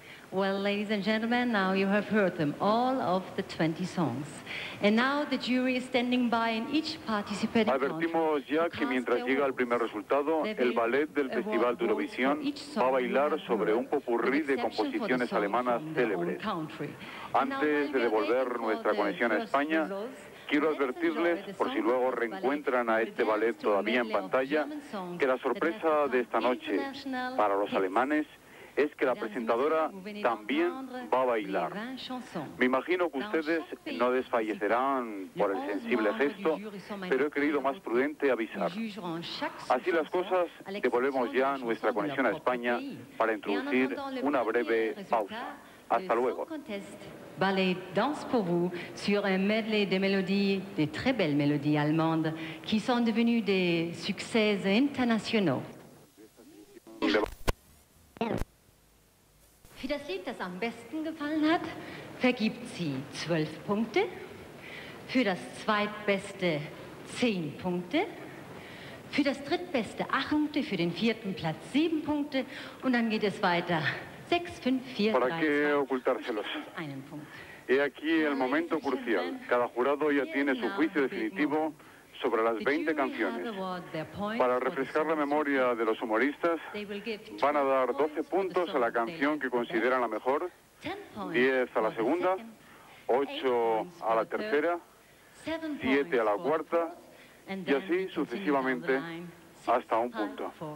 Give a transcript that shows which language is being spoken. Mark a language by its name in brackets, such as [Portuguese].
[English] Well, ladies and gentlemen, now you have heard them, all of the 20 songs. And now the jury is standing by in each participating [Spanish] Advertimos ya que mientras llega el primer resultado, el ballet del Festival de Eurovisión va a bailar sobre un popurrí de composiciones alemanas célebres. Antes de devolver nuestra conexión a España, quiero advertirles, por si luego reencuentran a este ballet todavía en pantalla, que la sorpresa de esta noche para los alemanes es que la presentadora también va a bailar. Me imagino que ustedes no desfallecerán por el sensible gesto, pero he creído más prudente avisar. Así las cosas, devolvemos ya nuestra conexión a España para introducir una breve pausa. Hasta luego. [French] Ballet danse pour vous sur un medley de mélodies, de très belles mélodies allemandes, qui sont devenues des succès internationaux. [German] Für das Lied, das am besten gefallen hat, vergibt sie 12 Punkte, für das zweitbeste 10 Punkte, für das drittbeste 8 Punkte, für den vierten Platz 7 Punkte und dann geht es weiter 6, 5, 4, 3, 2, 1 Punkt. [Spanish] He aquí el momento crucial. Cada jurado ya tiene su juicio definitivo sobre las 20 canciones. Para refrescar la memoria de los humoristas, van a dar 12 puntos a la canción que consideran la mejor, 10 a la segunda, 8 a la tercera, 7 a la cuarta, y así sucesivamente hasta un punto.